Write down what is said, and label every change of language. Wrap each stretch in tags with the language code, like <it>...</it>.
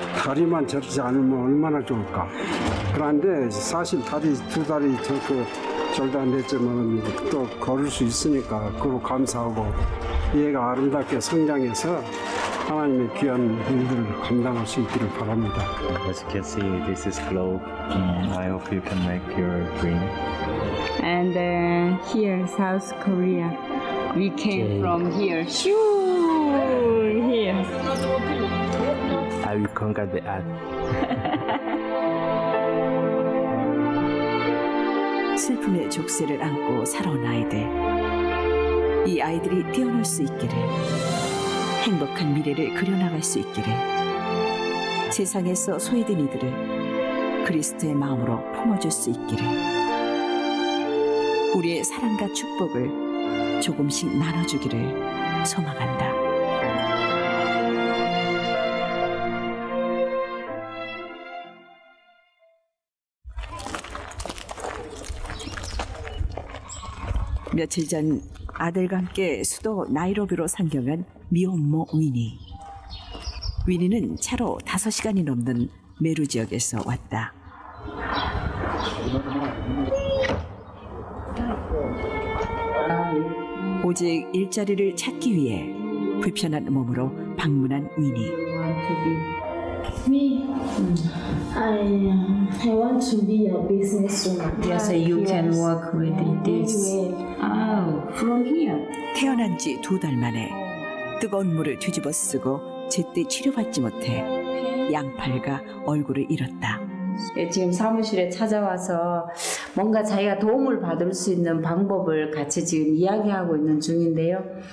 <ko>다리만 접지 않으면 얼마나 좋을까. 그런데 사실 다리 두 다리 접고 절단됐지만 또 걸을 수 있으니까 그거 감사하고 얘가 아름답게 성장해서 하나님의 귀한 일들을 감당할 수 있기를 바랍니다.</ko> <en>As you can see, this is globe. I hope you can make your dream. And here, South Korea. We came from here. Sure, here. I will conquer the earth.</en> <ko>슬픔의 족쇄를 안고 살아온 아이들. 이 아이들이 뛰어놀 수 있기를. 행복한 미래를 그려나갈 수 있기를. 세상에서 소외된 이들을 그리스도의 마음으로 품어줄 수 있기를. 우리의 사랑과 축복을 조금씩 나눠주기를 소망한다. 며칠 전 아들과 함께 수도 나이로비로 상경한 미혼모 위니. 위니는 차로 5시간이 넘는 메루 지역에서 왔다. 오직 일자리를 찾기 위해 불편한 몸으로 방문한 위니.</ko> <en>I want to be a businesswoman. Yes, so you can work with this. From here.</en> <ko>태어난 지 두 달 만에 뜨거운 물을 뒤집어 쓰고 제때 치료받지 못해 양팔과 얼굴을 잃었다. 지금 사무실에 찾아와서 뭔가 자기가 도움을 받을 수 있는 방법을 같이 지금 이야기하고 있는 중인데요.</ko>